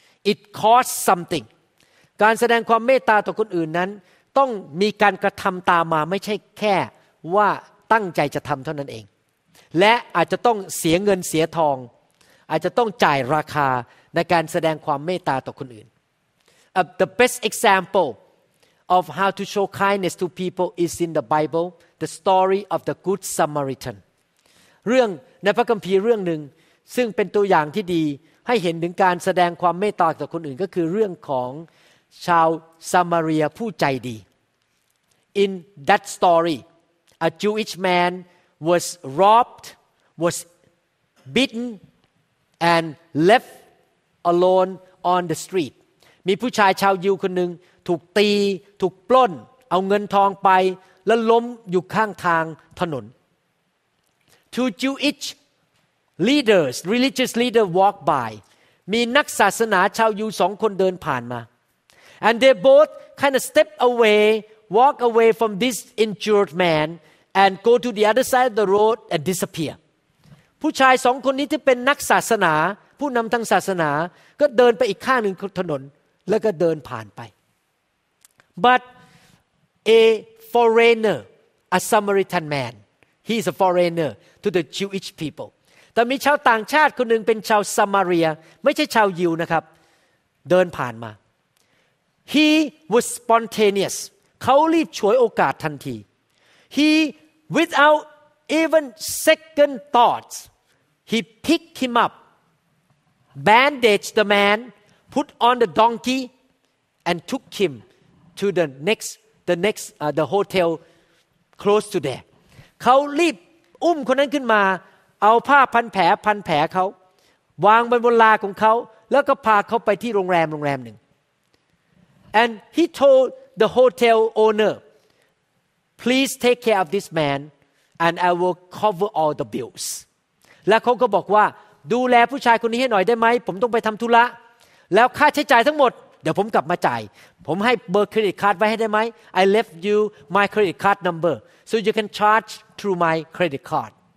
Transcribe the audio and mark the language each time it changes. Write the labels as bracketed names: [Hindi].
[English] It costs something. [Thai] การแสดงความเมตตาต่อคนอื่นนั้นต้องมีการกระทำตามมาไม่ใช่แค่ว่าตั้งใจจะทำเท่านั้นเองและอาจจะต้องเสียเงินเสียทองอาจจะต้องจ่ายราคาในการแสดงความเมตตาต่อคนอื่น [English] The best example of how to show kindness to people is in the Bible, the story of the Good Samaritan. [Thai] เรื่องในพระคัมภีร์เรื่องหนึ่งซึ่งเป็นตัวอย่างที่ดีให้เห็นถึงการแสดงความเมตตาต่อคนอื่นก็คือเรื่องของชาวซามาเรียผู้ใจดี [English] In that story, a Jewish man was robbed, was beaten, and left alone on the street. [Thai] มีผู้ชายชาวยิวคนหนึ่งถูกตีถูกปล้นเอาเงินทองไปแล้วล้มอยู่ข้างทางถนน [English] Two Jewish leaders, religious leaders walk by. [Thai] มีนักศาสนาชาวยิวสองคนเดินผ่านมา [English] And they both kind of step away, walk away from this injured man and go to the other side of the road and disappear. [Thai] ผู้ชายสองคนนี้ที่เป็นนักศาสนาผู้นำทางศาสนาก็เดินไปอีกข้างหนึ่งถนนแล้วก็เดินผ่านไป [English] But a foreigner, a Samaritan man, He is a foreigner to the Jewish people. [Thai] แต่มีชาวต่างชาติคนหนึ่งเป็นชาวซามาเรียไม่ใช่ชาวยิวนะครับเดินผ่านมา [English] He was spontaneous. [Thai] เขารีบฉวยโอกาสทันที [English] He without even second thoughts. He picked him up. Bandaged the man. Put on the donkey. And took him to the hotel close to there. [Thai] เขารีบอุ้มคนนั้นขึ้นมาเอาผ้าพันแผลพันแผลเขาวางบนลาของเขาแล้วก็พาเขาไปที่โรงแรมหนึ่ง [English] and he told the hotel owner please take care of this man and I will cover all the bills [Thai] และเขาก็บอกว่าดูแลผู้ชายคนนี้ให้หน่อยได้ไหมผมต้องไปทำธุระแล้วค่าใช้จ่ายทั้งหมดเดี๋ยวผมกลับมาจ่ายผมให้เบอร์เครดิตการ์ดไว้ให้ได้ไหม [English] I left you my credit card [Thai] number so you can charge through my credit card